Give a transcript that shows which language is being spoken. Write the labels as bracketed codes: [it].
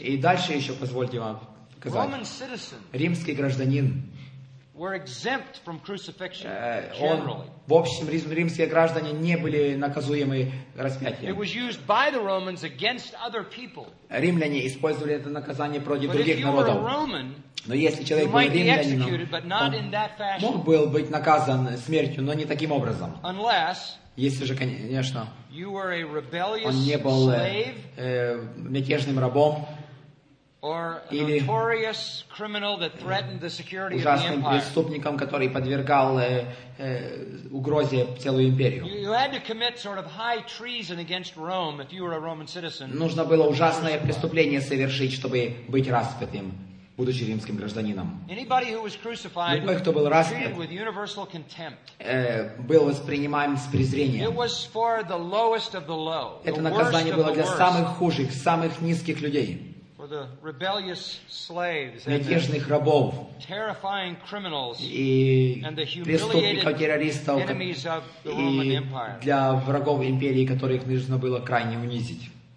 [ru] И дальше еще позвольте вам показать. [en] Roman citizen. [ru] Римский гражданин. [en] Were exempt from crucifixion generally. [ru] В общем, римские граждане не были наказуемы распятием. [en] It was used by the Romans against other people. [ru] Римляне использовали это наказание против других народов. [en] Roman, [ru] но если человек был римлянином, он мог был быть наказан смертью, но не таким образом. [en] Unless, [ru] если же, конечно, [en] you were a rebellious [ru] он не был [en] slave, [ru] мятежным рабом, [en] or a notorious criminal that threatened the security of the empire. [ru] Ужасным преступником, который подвергал угрозе целую империю. [en] You had to commit sort of high treason against Rome if you were a Roman citizen. [ru] Нужно было ужасное преступление совершить, чтобы быть распятым будучи римским гражданином. [en] Anybody who was crucified, [ru] любой, кто был распят, [en] with universal contempt. [ru] Был воспринимаем с презрением. [en] It was for the lowest of the low, [ru] это наказание было для самых худших, самых низких людей. [en] For the rebellious slaves, [ru] мятежных рабов, [en] terrifying criminals, [ru] и преступников, террористов, [en] enemies of the Roman Empire. [ru] Для врагов империи, которых нужно было крайне унизить.